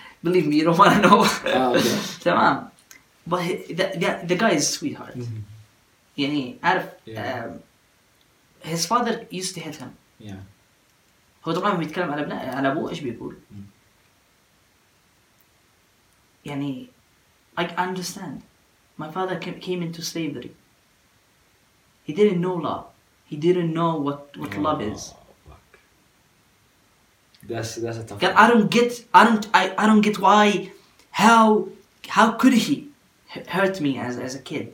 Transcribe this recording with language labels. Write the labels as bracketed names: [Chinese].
[English] Believe me, you don't wanna know. okay. [Arabic] تمام. [English] But the guy is a sweetheart. [Arabic] يعني عارف. [English] Yeah. His father used to hit him. Yeah. [Arabic] هو طبعاً بيتكلم على أبوه إيش بيقول. يعني [English] I understand. My father came into slavery. He didn't know love. He didn't know what love is. That's a tough one. I don't get why, how could he hurt me as a kid?